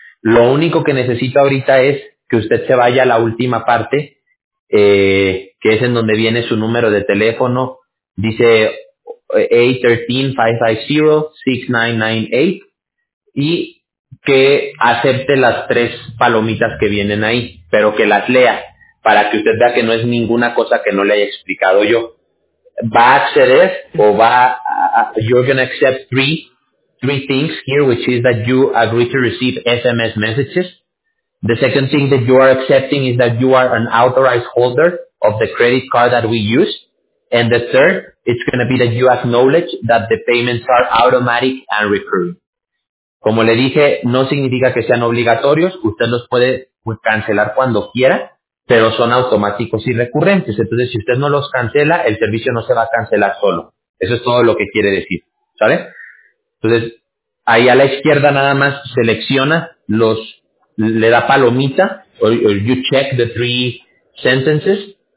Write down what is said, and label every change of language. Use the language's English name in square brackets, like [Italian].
[Spanish] Lo único que necesito ahorita es que usted se vaya a la última parte, que es en donde viene su número de teléfono. Dice 813-550-6998. Y que acepte las tres palomitas que vienen ahí, pero que las lea, para que usted vea que no es ninguna cosa que no le haya explicado yo. Va a acceder, o va a [English] you're going to accept three things here, which is that you agree to receive SMS messages. The second thing that you are accepting is that you are an authorized holder of the credit card that we use. And the third, it's going to be that you acknowledge that the payments are automatic and recurring. [Spanish] Como le dije, no significa que sean obligatorios, usted los puede cancelar cuando quiera, pero son automáticos y recurrentes. Entonces, si usted no los cancela, el servicio no se va a cancelar solo. Eso es todo lo que quiere decir, ¿sale? Entonces, ahí a la izquierda nada más selecciona los, le da palomita, [English] or you check the three sentences.